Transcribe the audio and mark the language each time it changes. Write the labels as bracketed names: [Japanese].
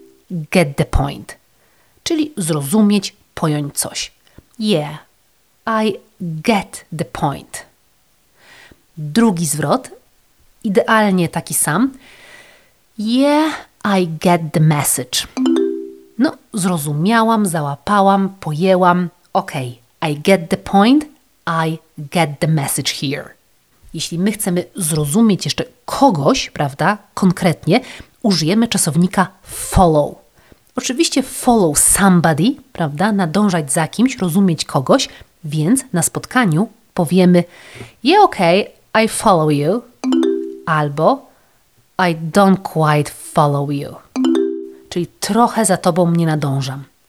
[English] Get the point. [Polish] Czyli zrozumieć, pojąć coś. [English] Yeah, I get the point. [Polish] Drugi zwrot, idealnie taki sam. [English] Yeah, I get the message. [Polish] No, zrozumiałam, załapałam, pojęłam. [English] Okej, okay. I get the point, I get the message here. [Polish] Jeśli my chcemy zrozumieć jeszcze kogoś, prawda, konkretnie, użyjemy czasownika follow. Oczywiście [English] follow somebody, [Polish] prawda, nadążać za kimś, rozumieć kogoś, więc na spotkaniu powiemy [English] yeah, okay, I follow you, [Polish] albo [English] I don't quite follow you, [Polish] czyli trochę za tobą nie nadążam.